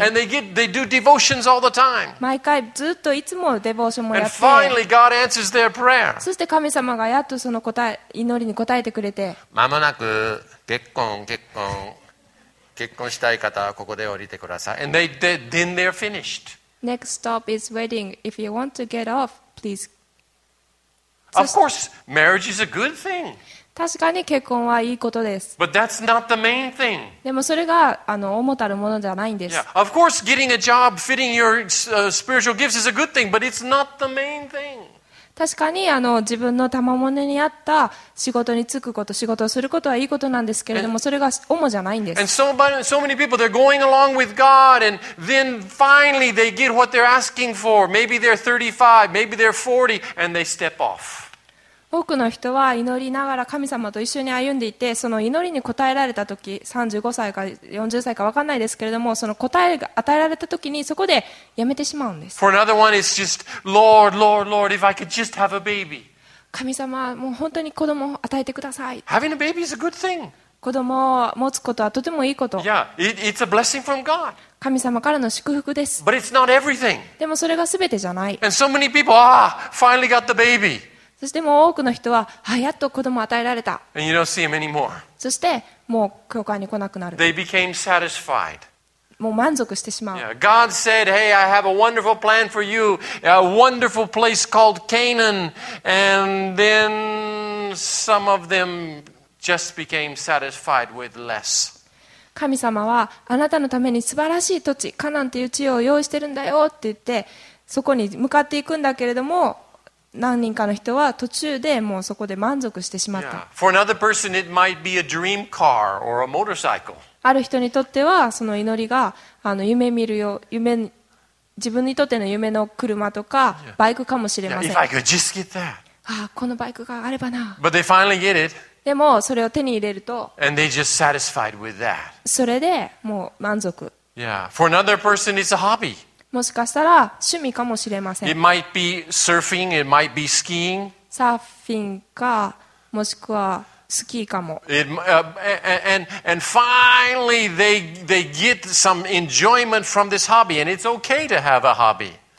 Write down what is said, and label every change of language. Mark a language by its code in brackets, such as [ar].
[en] And they do devotions all the time. [ja] 毎回ずっといつもデボーションもやって。 [en] And finally, God answers their prayer. [ja] そして神様がやっとその答え、祈りに答えてくれて。まもなく、結婚、結婚。結婚したい方はここで降りてください。 [en] And then they're finished. Next stop is wedding. If you want to get off, please. Of course, marriage is a good thing. [ja] 確かに結婚はいいことです。 [en] But that's not the main thing. [ja] でもそれがあの主たるものじゃないんです。 [en] Yeah. Of course, getting a job fitting your spiritual gifts is a good thing, but it's not the main thing. [ja] 確かにあの自分の賜物に合った仕事に就くこと仕事をすることはいいことなんですけれどもそれが主じゃないんです。 [en] And so many people they're going along with God and then finally they get what they're asking for. Maybe they're 35, maybe they're 40 and they step off. [ja] 多くの人は祈りながら神様と一緒に歩んでいてその祈りに応えられた時35歳か40歳か分かんないですけれどもその答えが与えられた時にそこでやめてしまうんです。 [en] For another one, it's just, Lord, Lord, Lord, if I could just have a baby. [ja] 神様、もう本当に子供を与えてください。 [en] Having a baby is a good thing. [ja] 子供を持つことはとてもいいこと。 [en] Yeah, it's a blessing from God. [ja] 神様からの祝福です。 [en] But it's not everything. [ja] でもそれが全てじゃない。 [en] And so many people, ah, finally got the baby. [ja] そしてもう多くの人は、あ、やっと子供を与えられた。 [en] And you don't see him anymore. [ja] そしてもう教会に来なくなる。 [en] They became satisfied. [ja] もう満足してしまう。 [en] Yeah. God said, hey, I have a wonderful plan for you. A wonderful place called Canaan. And then some of them just became satisfied with less. [ja] 神様は、あなたのために素晴らしい土地、カナンという地を用意してるんだよって言って、そこに向かっていくんだけれども、何人かの人は途中でもうそこで満足してしまった。 [en] Yeah. For another person, it might be a dream car or a motorcycle. [ja] ある人にとってはその祈りがあの夢見るよ夢自分にとっての夢の車とかバイクかもしれません。 [en] Yeah. Yeah. If I could just get that. [ja] ああこのバイクがあればな。 [en] But they finally get it. [ja] でもそれを手に入れると。 [en] And they just satisfied with that. [ja] それでもう満足。 [en] Yeah. For another person, it's a hobby. [ja] もしかしたら趣味かもしれません。 [en] It might be surfing, it might be skiing. [ja] サーフィンか、もしくはスキーかも。 [en] And finally they get some enjoyment from this hobby, and it's okay to have a hobby.